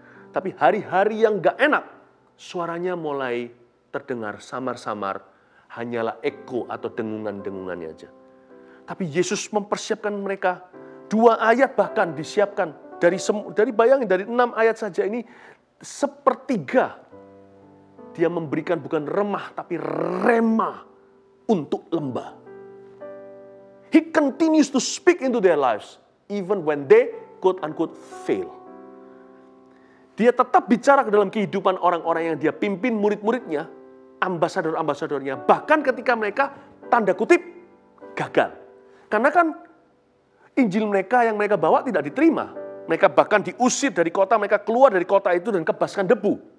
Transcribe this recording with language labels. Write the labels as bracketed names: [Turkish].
[Indonesian] Tapi hari-hari yang gak enak, suaranya mulai terdengar samar-samar, hanyalah eko atau dengungan-dengungannya aja. Tapi Yesus mempersiapkan mereka, dua ayat bahkan disiapkan, dari 6 ayat saja ini, sepertiga dia memberikan bukan remah, tapi remah untuk lembah. [English] He continues to speak into their lives, even when they quote-unquote fail. [Indonesian] Dia tetap bicara ke dalam kehidupan orang-orang yang dia pimpin, murid-muridnya, ambasador-ambasadornya, bahkan ketika mereka, tanda kutip, gagal. Karena kan Injil mereka yang mereka bawa tidak diterima. Mereka bahkan diusir dari kota, mereka keluar dari kota itu dan kebaskan debu.